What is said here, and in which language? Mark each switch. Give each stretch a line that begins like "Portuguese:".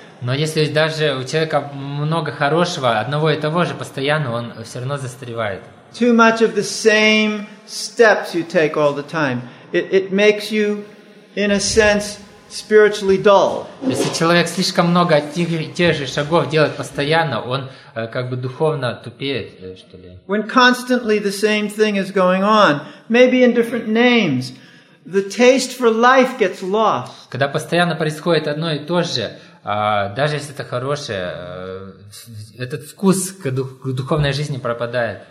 Russian: Но если даже у человека много хорошего, одного и того же постоянно, он все равно застревает.
English: Too much of the same steps you take all the time. It makes you, in a sense, spiritually dull.
Russian: Если человек слишком много тех же шагов делает постоянно, он как бы духовно тупеет, что ли.
English: When constantly the same thing is going on, maybe in different names, the taste for life gets lost.
Russian: Когда постоянно происходит одно и то же, даже если это хорошее, этот вкус к духовной жизни пропадает.